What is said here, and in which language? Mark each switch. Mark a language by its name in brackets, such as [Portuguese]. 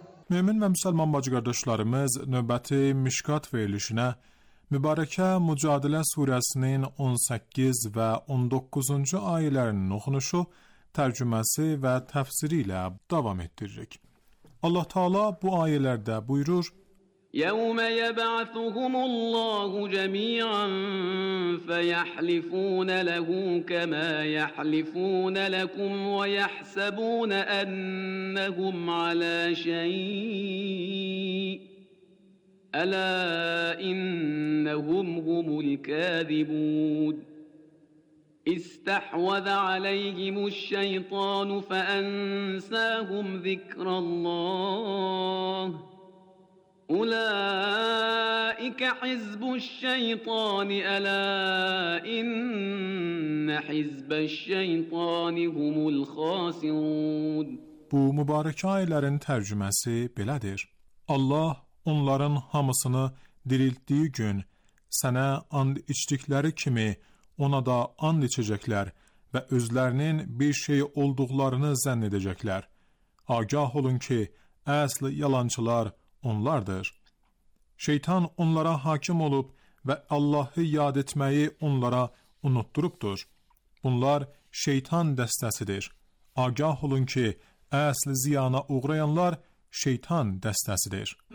[Azerbaijani] Mümin və müsəlman bacı qardaşlarımız növbəti Mişkat verilişinə Mübarəkə Mücadilə Suresinin 18 və 19-cu ayələrinin oxunuşu, tərcüməsi və təfsiri ilə davam etdiririk. Allah Taala bu ayələrdə buyurur, [Arabic] يَوْمَ يَبْعَثُهُمُ اللَّهُ جَمِيعًا فَيَحْلِفُونَ لَهُ كَمَا يَحْلِفُونَ لَكُمْ وَيَحْسَبُونَ أَنَّهُمْ عَلَى شَيْءٍ ألا إنهم هم الكاذبون استحوذ عليهم الشيطان فأنساهم ذكر الله أولئك حزب الشيطان ألا إن حزب الشيطان هم الخاسرون [Azerbaijani] Bu mübarək ayələrin tərcüməsi belədir. Allah Onların hamısını dirilttiği gün sənə and içdikləri kimi ona da and içəcəklər və özlərinin bir şey olduqlarını zənn edəcəklər. Agah olun ki, əsl yalancılar onlardır. Şeytan onlara hakim olub və Allahı yad etməyi onlara unutdurubdur. Bunlar şeytan dəstəsidir. Agah olun ki, əsl ziyana uğrayanlar şeytan dəstəsidir.